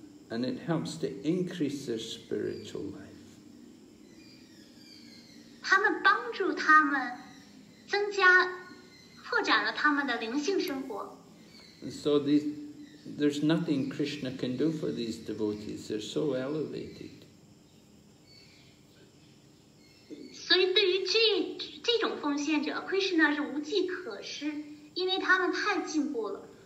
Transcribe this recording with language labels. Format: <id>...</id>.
<en>And it helps to increase their spiritual life.</en> <zh>他们帮助他们增加扩展了他们的灵性生活。</zh> <en>And so there's nothing Krishna can do for these devotees. They're so elevated.</en> <zh>所以对于这种奉献者 ,Krishna 是无计可施，因为他们太进步了。</zh>